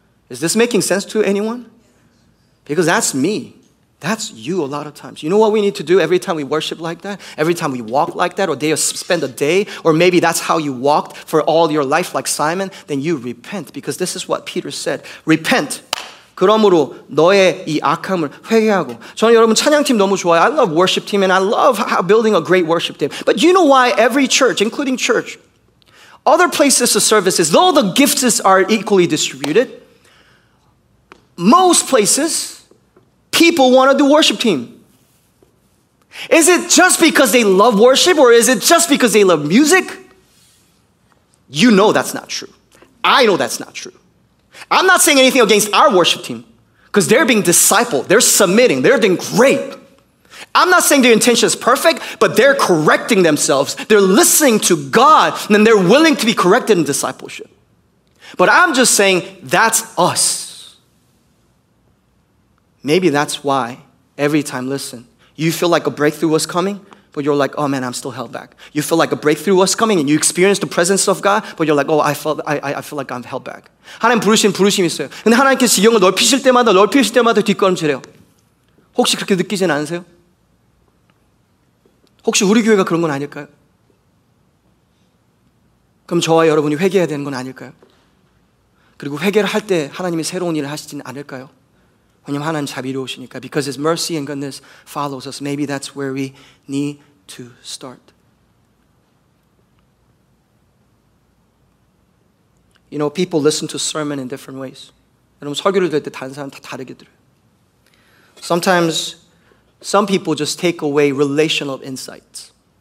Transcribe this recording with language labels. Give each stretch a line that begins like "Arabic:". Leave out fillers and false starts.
English: Is this making sense to anyone? Because that's me. That's you a lot of times. You know what we need to do every time we worship like that? Every time we walk like that or they spend a day or maybe that's how you walked for all your life like Simon, then you repent because this is what Peter said. Repent.
Korean: 그러므로 너의 이 악함을 회개하고 저는 여러분 찬양팀 너무 좋아요.
English: I love worship team and I love how building a great worship team. But you know why every church, including church, Other places of services, though the gifts are equally distributed, most places, people want to do worship team. Is it just because they love worship or is it just because they love music? You know that's not true. I know that's not true. I'm not saying anything against our worship team because they're being discipled. They're submitting. They're doing great. I'm not saying their intention is perfect, but they're correcting themselves. They're listening to God, and then they're willing to be corrected in discipleship. But I'm just saying that's us. Maybe that's why every time, listen, you feel like a breakthrough was coming, but you're like, oh man, I'm still held back. You feel like a breakthrough was coming and you experienced the presence of God, but you're like, oh, I feel like I'm held back.
Korean: 하나님 부르신 부르심이 있어요. 근데 하나님께서 영을 넓히실 때마다 넓히실 때마다 뒷걸음질해요. 혹시 그렇게 느끼진 않으세요? 혹시 우리 교회가 그런 건 아닐까요? 그럼 저와 여러분이 회개해야 되는 건 아닐까요? 그리고 회개를 할 때 하나님이 새로운 일을 하시진 않을까요? 왜냐면 하나님 자비로우시니까.
English: Because his mercy and goodness follows us. Maybe that's where we need to start. You know, people listen to sermon in different ways.
Korean: 여러분, 설교를 들을 때 다른 사람 다 다르게 들어요.
English: Sometimes, some people just take away relational insights.